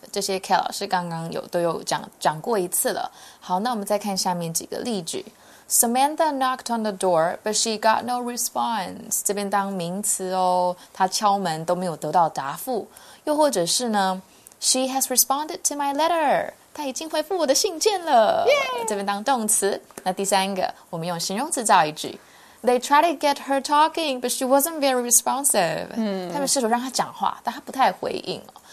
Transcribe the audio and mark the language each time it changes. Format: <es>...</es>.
<zh>这些 K 老师刚刚都有讲过一次了。好，那我们再看下面几个例句。</zh> <en>Samantha knocked on the door, but she got no response.</en> <zh>这边当名词哦，她敲门都没有得到答复。又或者是呢</zh> <en>，She has responded to my letter.</en> <zh>她已经回复我的信件了。 Yay! 这边当动词。那第三个，我们用形容词造一句。</zh> <en>They tried to get her talking, but she wasn't very responsive.</en> <zh>他们试图让她讲话，但她不太回应哦。</zh>